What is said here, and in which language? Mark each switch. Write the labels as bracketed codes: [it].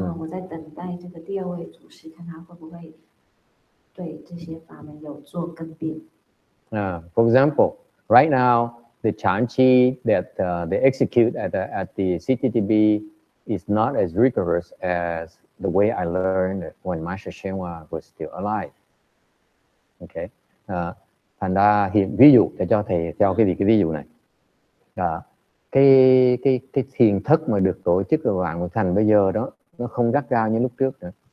[zh] 所以我们要保存这个第一位祖师的这个法。那我在等待这个第二位祖师，看他会不会。 [en] For example, right now the Chan Chi that they execute at the CTTB is not as rigorous as the way I learned when Master Shen Hua was still alive. [vi] Okay, thành ra hiện ví dụ để cho thầy cho cái ví dụ này, cái thiền thất mà được tổ chức ở Vạn Nguyệt Thành bây giờ đó nó không gắt gao như lúc trước nữa.